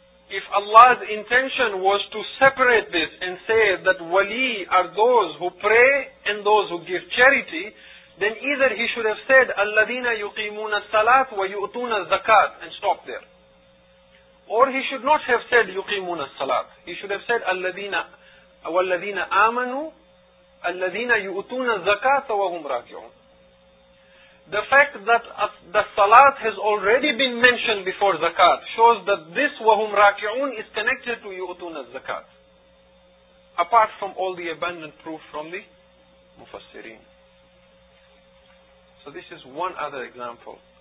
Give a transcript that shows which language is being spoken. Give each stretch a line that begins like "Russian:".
English: If Allah's intention was to separate this and say that wali are those who pray and those who give charity, then either He should have said
Arabic: الَّذِينَ يُقِيمُونَ الصَّلَاةَ وَيُؤْتُونَ الزَّكَاةَ
English: and stop there. Or He should not have said
Arabic: يُقِيمُونَ الصَّلَاةَ.
English: He should have said
Arabic: الَّذِينَ آمَنُوا الَّذِينَ يُؤْتُونَ الزَّكَاةَ وَهُمْ رَاكِعُونَ.
English: The fact that the salat has already been mentioned before zakat shows that this
Arabic: وَهُمْ رَاكِعُونَ
English: is connected to
Arabic: يُؤْتُونَ الزَّكَاةَ.
English: Apart from all the abundant proof from the Mufassirin. So this is one other example.